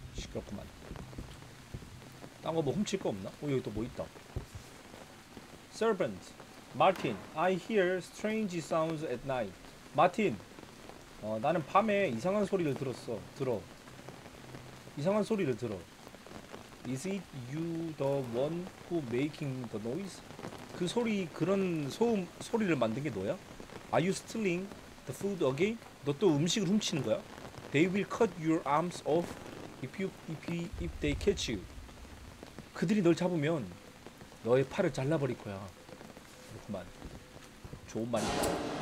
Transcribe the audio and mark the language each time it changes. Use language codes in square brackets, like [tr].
[ko] 그렇구만. 딴거뭐 훔칠 거 없나? 오, 여기 또뭐 있다. [en] Servant, Martin, I hear strange sounds at night. [ko] 마틴, 나는 밤에 이상한 소리를 들었어. 들어. 이상한 소리를 들어. [en] Is it you the one who making the noise? [ko] 그 소리, 그런 소리를 만든 게 너야? [en] Are you stealing the food again? [ko] 너또 음식을 훔치는 거야? [en] They will cut your arms off. If they catch you, [ko] 그들이 널 잡으면 너의 팔을 잘라버릴 거야. 그렇구만. 좋은 말입니다.